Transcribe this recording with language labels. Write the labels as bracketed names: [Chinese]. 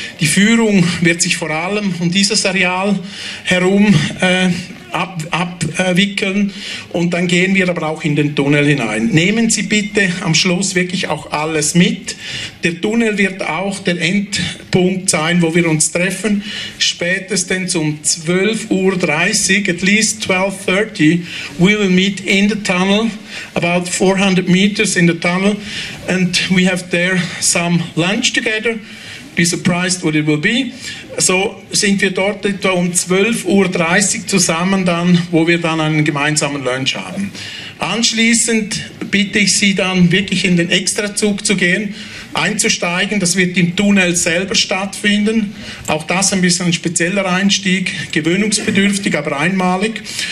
[German] Die Führung wird sich vor allem um dieses Areal herum abwickeln und dann gehen wir aber auch in den Tunnel hinein. Nehmen Sie bitte am Schluss wirklich auch alles mit. Der Tunnel wird auch der Endpunkt sein, wo wir uns treffen. Spätestens um 12.30 Uhr, [English] at least 12.30 Uhr, we will meet in the tunnel, about 400 meters in the tunnel, and we have there some lunch together. Be surprised what it will be. [German] So sind wir dort etwa um 12.30 Uhr zusammen dann, wo wir dann einen gemeinsamen Lunch haben. Anschließend bitte ich Sie dann wirklich in den Extrazug zu gehen. einzusteigen. Das wird im Tunnel selber stattfinden. Auch das ein bisschen ein spezieller Einstieg, gewöhnungsbedürftig, aber einmalig.